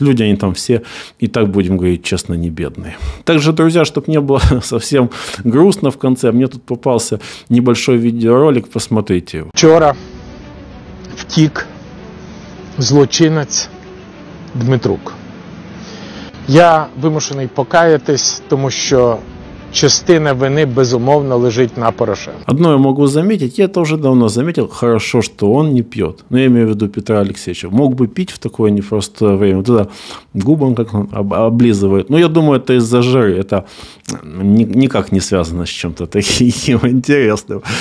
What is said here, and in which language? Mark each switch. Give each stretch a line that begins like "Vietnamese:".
Russian: Люди, они там все, и так, будем говорить честно, не бедные. Также, друзья, чтобы не было совсем грустно в конце, мне тут попался небольшой видеоролик, посмотрите его.
Ukrainian: Вчера втек злочинец Дмитрук. Я вимушений покаятись, тому що частина вины, безумовно, лежит на Порошенко.
Russian: Одно я могу заметить, я это уже давно заметил, хорошо, что он не пьет. Но я имею в виду Петра Алексеевича. Мог бы пить в такое непростое время. Вот это губы он как-то облизывает. Но я думаю, это из-за жары. Это никак не связано с чем-то таким интересным.